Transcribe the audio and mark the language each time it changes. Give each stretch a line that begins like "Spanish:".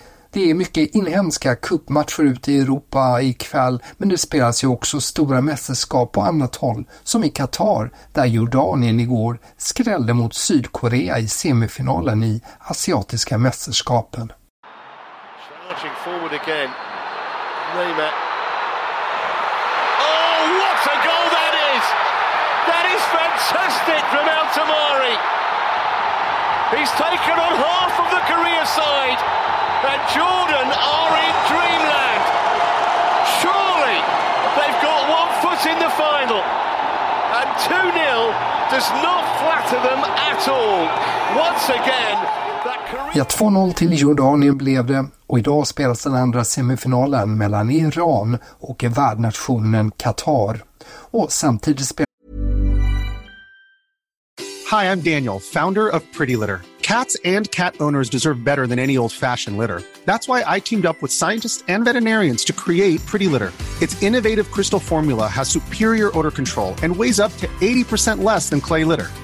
Swedish: Det är mycket inhemska cupmatcher ute i Europa ikväll, men det spelas ju också stora mästerskap på annat håll, som i Qatar, där Jordanien igår skrällde mot Sydkorea i semifinalen i asiatiska mästerskapen.
English: Charging forward again. Neymar. Oh, what a goal that is! That is fantastic from El Tamari. He's taken on half of the Korea side. And Jordan are in dreamland. Surely they've got one foot in the final. And 2-0 does not flatter them at all. Once again, that Korea...
Swedish: 2-0 till Jordanien blev det. Och idag spelas den andra semifinalen mellan Iran och värdnationen Qatar. Och samtidigt spelar...
English: Hi, I'm Daniel, founder of Pretty Litter. Cats and cat owners deserve better than any old-fashioned litter. That's why I teamed up with scientists and veterinarians to create Pretty Litter. Its innovative crystal formula has superior odor control and weighs up to 80% less than clay litter.